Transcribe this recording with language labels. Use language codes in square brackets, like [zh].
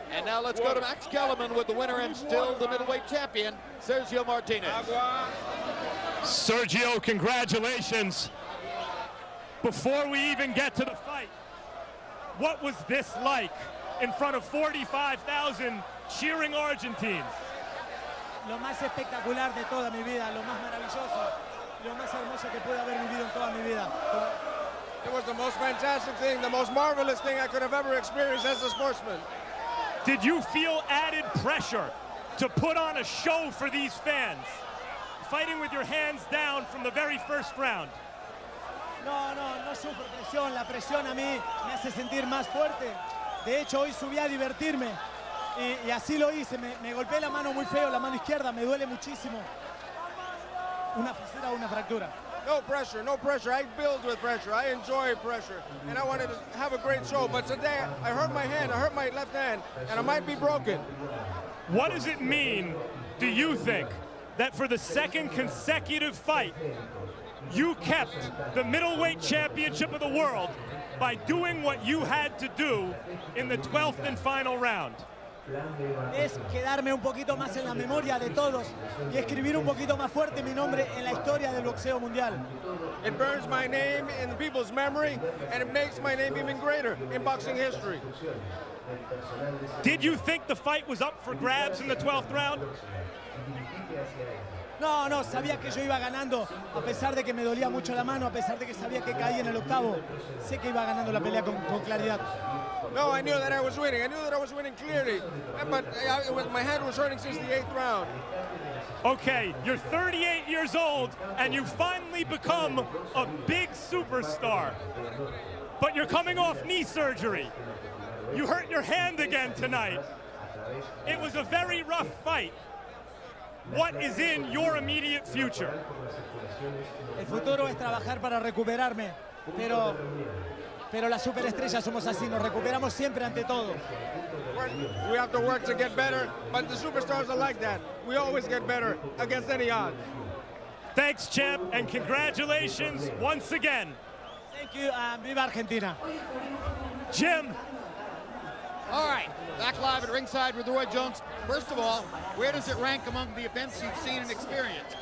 [en] And now let's go to Max Kellerman with the winner and still the middleweight champion, Sergio Martinez. Sergio, congratulations. before we even get to the fight. What was this like in front of 45,000 cheering Argentines? [es] Lo más espectacular de toda mi vida, lo más maravilloso, lo más hermoso que pude haber vivido en toda mi vida. [en] It was the most fantastic thing, the most marvelous thing I could have ever experienced as a sportsman. Did you feel added pressure to put on a show for these fans, fighting with your hands down from the very first round? [es] No, no, no sufro presión. La presión a mí me hace sentir más fuerte. De hecho, hoy subí a divertirme y así lo hice. Me golpeé la mano muy feo, la mano izquierda. Me duele muchísimo. Una fisura, una fractura. [en] No pressure, no pressure. I build with pressure. I enjoy pressure. And I wanted to have a great show. But today, I hurt my hand. I hurt my left hand. And I might be broken. What does it mean, do you think, that for the second consecutive fight, you kept the middleweight championship of the world by doing what you had to do in the 12th and final round? [es] Es quedarme un poquito más en la memoria de todos y escribir un poquito más fuerte mi nombre en la historia del boxeo mundial. [en] It burns my name in the people's memory and it makes my name even greater in boxing history. Did you think the fight was up for grabs in the 12th round? [es] No, no, sabía que yo iba ganando, a pesar de que me dolía mucho la mano, a pesar de que sabía que caí en el octavo, sé que iba ganando la pelea con claridad. [en] No, I knew that I was winning. I knew that I was winning clearly. But my head was hurting since the eighth round. Okay, you're 38 years old, and you finally become a big superstar. But you're coming off knee surgery. You hurt your hand again tonight. It was a very rough fight. What is in your immediate future? [es] El futuro es trabajar para recuperarme, pero las superestrellas somos así, nos recuperamos siempre ante todo. [en] We have to work to get better, but the superstars are like that. We always get better against any odds. Thanks, champ, and congratulations once again. Thank you, and [es] viva Argentina. [en] Jim. All right, back live at ringside with Roy Jones. First of all, where does it rank among the events you've seen and experienced?